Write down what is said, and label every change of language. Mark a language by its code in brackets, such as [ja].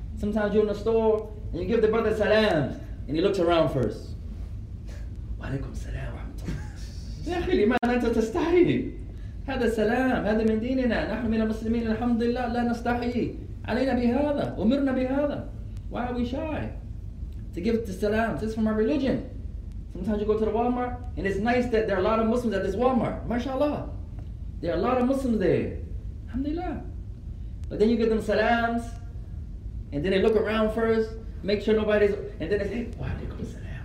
[en] Sometimes you're in the store and you give the brother salam and he looks around first. [ar] Wa alaykum salam. ياخي لماذا أنت تستحي؟ هذا سلام، هذا من ديننا، نحن من المسلمين الحمد لله لا نستحي علينا بهذا، أمرنا بهذا. [en] Why are we shy to give the salam? This is from our religion. Sometimes you go to the Walmart and it's nice that there are a lot of Muslims at this Walmart. MashaAllah. There are a lot of Muslims there. Alhamdulillah. But then you give them salams and then they look around first, make sure nobody's, and then they say, wa alaykum salam.